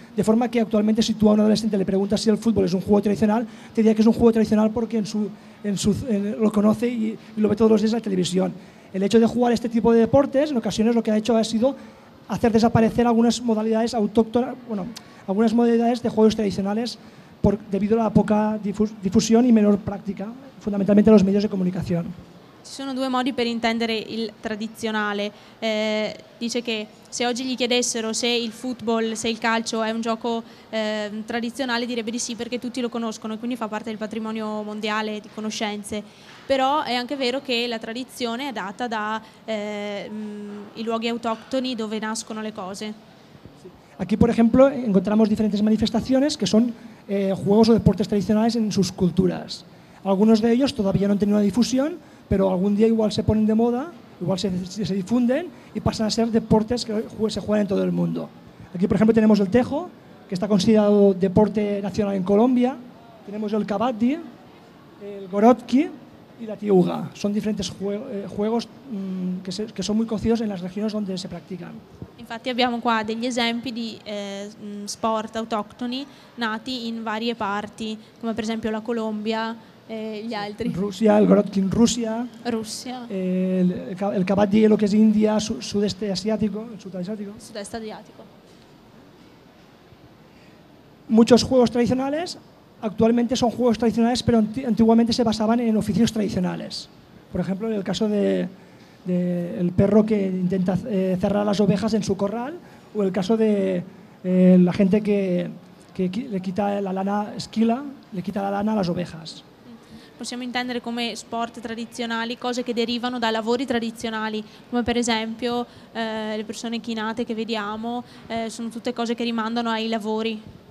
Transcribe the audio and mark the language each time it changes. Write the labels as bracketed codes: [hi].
[es] De forma que actualmente si tú a un adolescente le preguntas si el fútbol es un juego tradicional, te diría que es un juego tradicional porque lo conoce y lo ve todos los días en la televisión. El hecho de jugar este tipo de deportes, en ocasiones lo que ha hecho ha sido hacer desaparecer algunas modalidades autóctonas, bueno, algunas modalidades de juegos tradicionales debido a la poca difusión y menor práctica, fundamentalmente los medios de comunicación. [it] Ci sono due modi per intendere il tradizionale. Dice che se oggi gli chiedessero se il football, se il calcio è un gioco tradizionale, direbbe di sì perché tutti lo conoscono e quindi fa parte del patrimonio mondiale di conoscenze. Però è anche vero che la tradizione è data da i luoghi autoctoni dove nascono le cose. [es] Aquí, por ejemplo, encontramos diferentes manifestaciones que son juegos o deportes tradicionales en sus culturas. Algunos de ellos todavía no han tenido una difusión, pero algún día igual se ponen de moda, igual se difunden y pasan a ser deportes que se juegan en todo el mundo. Aquí, por ejemplo, tenemos el tejo, que está considerado deporte nacional en Colombia. Tenemos el kabaddi, el gorotki y la tiuga. Son diferentes juegos que son muy conocidos en las regiones donde se practican. [it] Infatti abbiamo qua degli esempi di sport autoctoni nati in varie parti, come per esempio la Colombia e gli altri. Russia, il Gorotki in Russia. Russia. Il Kabaddi, lo che è India, sud-est asiatico. Sud-est asiatico. [es] Muchos juegos tradicionales, actualmente son juegos tradicionales, pero antiguamente se basaban en oficios tradicionales. Por ejemplo, en el caso del perro que intenta cerrar las ovejas en su corral, o el caso de la gente que le quita la lana, esquila, le quita la lana a las ovejas. [it] Possiamo intendere come sport tradizionali cose che derivano da lavori tradizionali, come per esempio le persone chinate che vediamo, sono tutte cose che rimandano ai lavori.